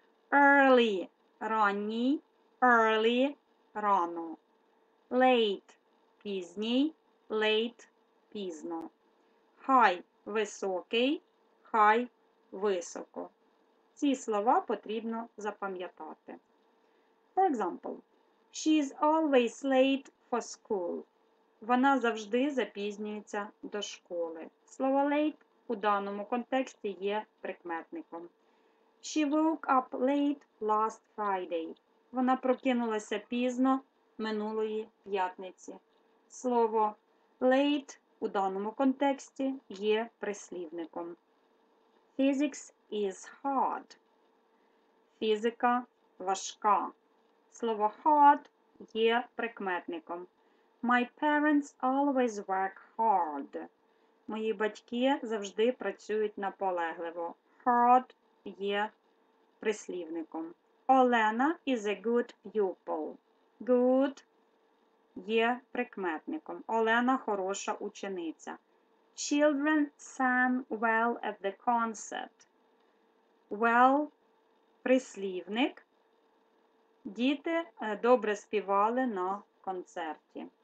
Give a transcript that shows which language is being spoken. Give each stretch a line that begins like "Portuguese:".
English: Early – ранній, early – рано. Late – пізній, late – пізно. High – високий, high – високо.
Ukrainian: Ці слова потрібно запам'ятати.
English: For example, she's always late for school.
Ukrainian: Вона завжди запізнюється до школи. Слово late у даному контексті є прикметником.
English: She woke up late last Friday.
Ukrainian: Вона прокинулася пізно минулої п'ятниці. Слово late у даному контексті є прислівником.
English: Physics is hard.
Ukrainian: Фізика важка. Слово hard є прикметником.
English: My parents always work hard.
Ukrainian: Мої батьки завжди працюють наполегливо. Hard є прислівником.
English: Олена is a good pupil.
Ukrainian: Good є прикметником. Олена – хороша учениця.
English: Children sang well at the concert.
Ukrainian: Well – прислівник. Діти добре співали на концерті.